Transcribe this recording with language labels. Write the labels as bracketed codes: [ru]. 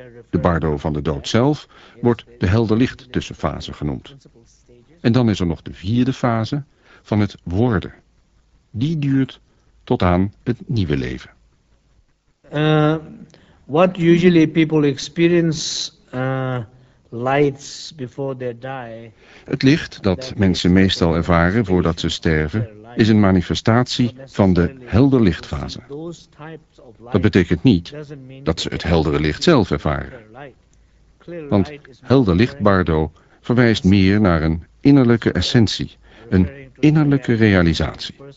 [nl] De bardo van de dood zelf wordt de helder licht tussenfase genoemd. En dan is er nog de 4e fase van het worden. Die duurt tot aan het nieuwe leven. [en] What usually people experience lights before they die. [nl] Het licht dat mensen meestal ervaren voordat ze sterven is een manifestatie van de helder lichtfase. Dat betekent niet dat ze het heldere licht zelf ervaren. Want helder licht bardo verwijst meer naar een innerlijke essentie, een innerlijke realisatie.